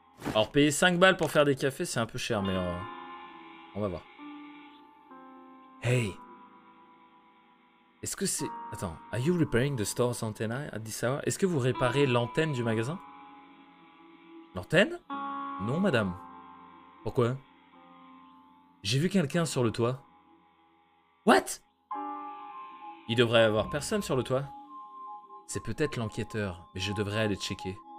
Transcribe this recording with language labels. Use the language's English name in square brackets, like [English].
[French] Alors payer 5 balles pour faire des cafés, c'est un peu cher, mais on va voir. Hey. Est-ce que c'est... Attends, [English] are you repairing the store's antenna at this hour? [French] Est-ce que vous réparez l'antenne du magasin? L'antenne? Non, madame. Pourquoi? J'ai vu quelqu'un sur le toit. [English] What? [French] Il devrait y avoir personne sur le toit. C'est peut-être l'enquêteur, mais je devrais aller checker.